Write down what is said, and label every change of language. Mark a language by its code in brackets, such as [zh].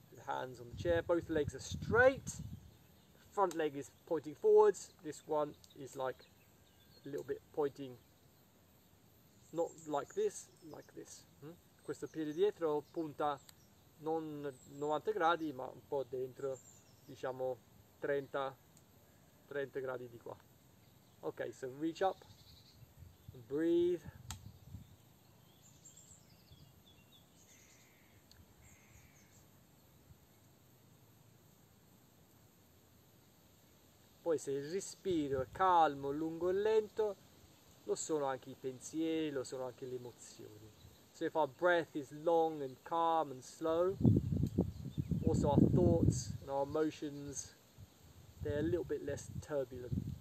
[en] Hands on the chair, both legs are straight, front leg is pointing forwards, this one is like a little bit pointing, not like this, like this. [it] Questo piede dietro punta non 90 gradi ma un po' dentro, diciamo 30 gradi di qua. [en] Ok, so reach up and breathe. [it] Poi se il respiro è calmo, lungo e lento, lo sono anche i pensieri, lo sono anche le emozioni. [en] So if our breath is long and calm and slow, also our thoughts and our emotions, they're a little bit less turbulent.